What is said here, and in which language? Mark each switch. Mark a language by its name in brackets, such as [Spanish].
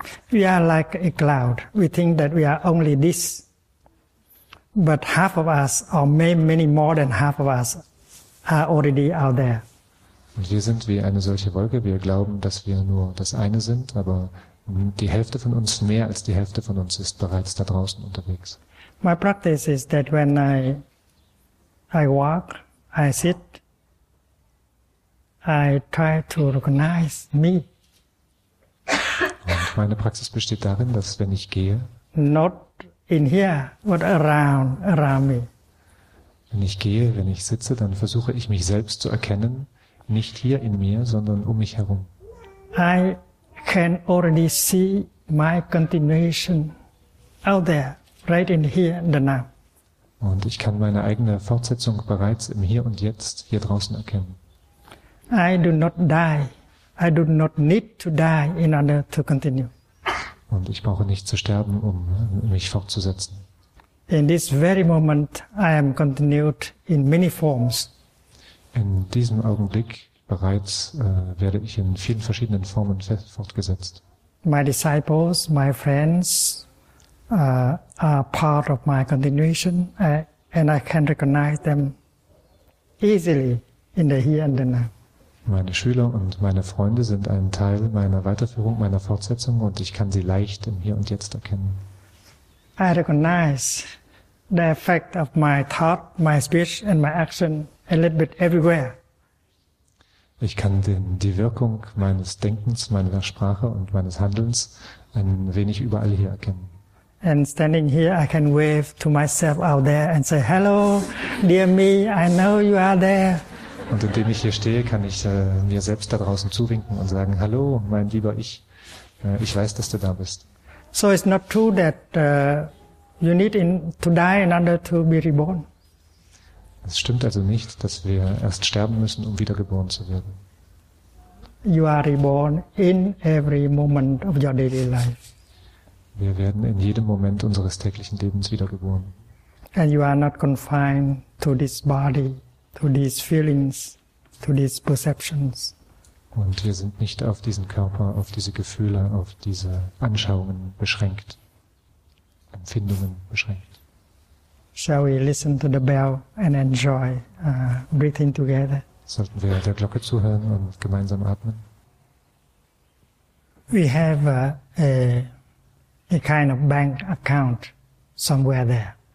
[English] We are like a cloud. We think that we are only this. But half of us, or maybe many more than half of us, are already out there. [German] Und wir sind wie eine solche Wolke. Wir glauben, dass wir nur das eine sind, aber die Hälfte von uns, mehr als die Hälfte von uns, ist bereits da draußen unterwegs. [English] My practice is that when I I walk, I sit, I try to recognize me. [German] Und meine Praxis besteht darin, dass wenn ich gehe, [English] not in here, but around me. [German] Wenn ich gehe, wenn ich sitze, dann versuche ich mich selbst zu erkennen, nicht hier in mir, sondern um mich herum. [English] I can already see my continuation out there, right in here and now. [German] Und ich kann meine eigene Fortsetzung bereits im Hier und Jetzt hier draußen erkennen. [English] I do not die. I do not need to die in order to continue. [German] Und ich brauche nicht zu sterben, um mich fortzusetzen. [English] In this very moment, I am continued in many forms. [German] In diesem Augenblick bereits werde ich in vielen verschiedenen Formen fortgesetzt. [English] My disciples, my friends, are part of my continuation, and I can recognize them easily in the here and the now. [German] Meine Schüler und meine Freunde sind ein Teil meiner Weiterführung, meiner Fortsetzung, und ich kann sie leicht im Hier und Jetzt erkennen. [English] I recognize the effect of my thought, my speech and my action a little bit everywhere. [German] Ich kann die Wirkung meines Denkens, meiner Sprache und meines Handelns ein wenig überall hier erkennen. [English] And standing here, I can wave to myself out there and say, hello, dear me, I know you are there. [German] Und indem ich hier stehe, kann ich mir selbst da draußen zuwinken und sagen, hallo, mein lieber Ich, ich weiß, dass du da bist. [English] So it's not true that you need to die in order to be reborn. [German] Es stimmt also nicht, dass wir erst sterben müssen, um wiedergeboren zu werden. [English] You are reborn in every moment of your daily life. [German] Wir werden in jedem Moment unseres täglichen Lebens wiedergeboren. [English] And you are not confined to this body, to these feelings, to these perceptions. [German] Und wir sind nicht auf diesen Körper, auf diese Gefühle, auf diese Anschauungen beschränkt, Empfindungen beschränkt. [English] Shall we listen to the bell and enjoy breathing together? [German] Sollten wir der Glocke zuhören und gemeinsam atmen? [English] We have a kind of bank account somewhere there.